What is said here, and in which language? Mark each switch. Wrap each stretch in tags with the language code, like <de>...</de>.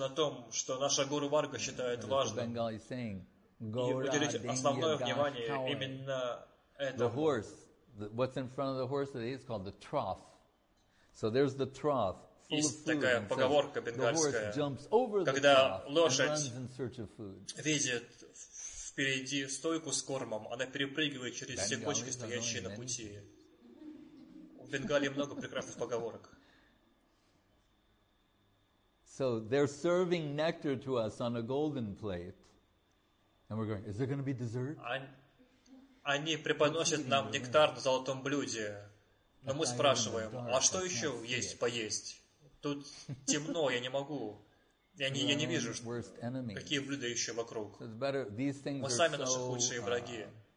<ru>на том, что наша гуру варга считает важным, и уделить основное внимание именно этому.</ru> <en>The horse, what's in front of the horse today is called the trough. So there's the trough.</en> <ru>Есть такая поговорка бенгальская, когда лошадь видит впереди стойку с кормом, она перепрыгивает через все кочки, стоящие на пути. В Бенгалии много прекрасных поговорок.</ru> <en>So they're serving nectar to us on a golden plate, and we're going, is there going to be dessert?</en> <ru>Они преподносят нам нектар на золотом блюде, но мы спрашиваем, а что еще есть поесть? Тут темно, я не могу. Я не вижу, какие блюда еще вокруг. Мы сами наши худшие враги.</ru>